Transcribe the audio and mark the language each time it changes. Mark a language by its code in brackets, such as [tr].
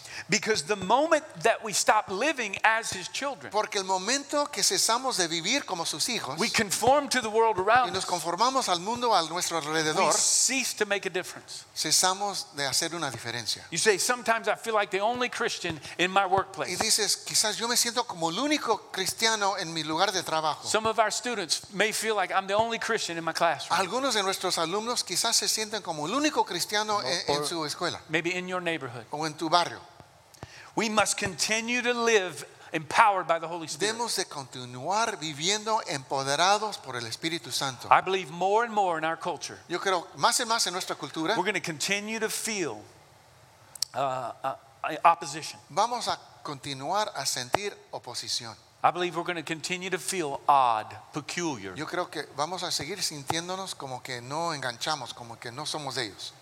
[en] Because the moment that we stop living as his children, [es] porque el momento que cesamos de vivir como sus hijos, [en] we conform to the world around [es] y nos conformamos al mundo a nuestro alrededor, [en] we cease to make a difference. [es] Cesamos de hacer una diferencia. [en] You say, sometimes I feel like the only Christian in my workplace. [es] Y dices, quizás yo me siento como el único cristiano en mi lugar de trabajo. [en] Some of our students may feel like I'm the only Christian in my classroom. [es] Algunos de nuestros alumnos quizás se sienten como el único cristiano en su escuela. [en] Maybe in your neighborhood. [es] O en tu barrio. [en] We must continue to live empowered by the Holy Spirit. [es] Debemos de continuar viviendo empoderados por el Espíritu Santo. [en] I believe more and more in our culture. [es] Yo creo más y más en nuestra cultura. [en] We're going to continue to feel opposition. [es] Vamos a continuar a sentir oposición. [en] I believe we're going to continue to feel odd, peculiar. [es] Yo creo que vamos a seguir sintiéndonos como que no enganchamos, como que no somos de ellos.